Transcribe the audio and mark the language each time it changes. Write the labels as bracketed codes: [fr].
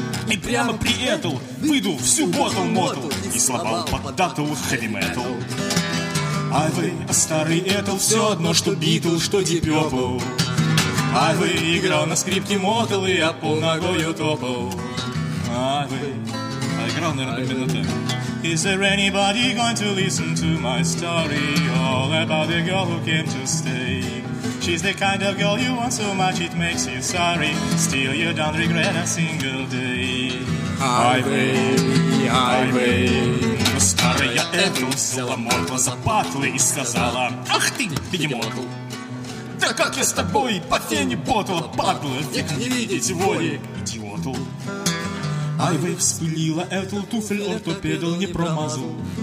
[ru] И прямо при Этл выдул всю ботл Мотл и сломал под Датл хэви-метл. Ай-вэй, а старый Этл все одно, что Битл, что Deep Purple. Ай-вэй, играл на скрипке Мотл и Apple ногою топал. Ай-вэй, а играл, наверное, именно так. [en] Is there anybody going to listen to my story? All about the girl who came to stay. She's the kind of girl you want so much it makes you sorry. Still you don't regret a single day. Ай-вэй, ай-вэй. [ru] Но старая Этл взяла Мотла за патлы и сказала: ах ты, бегемотл! Да как я с тобой по фене ботла, патлы, век не видеть воли, идиотл! Ай-вэй, вспылила Этл, туфель ортопедл не промазал.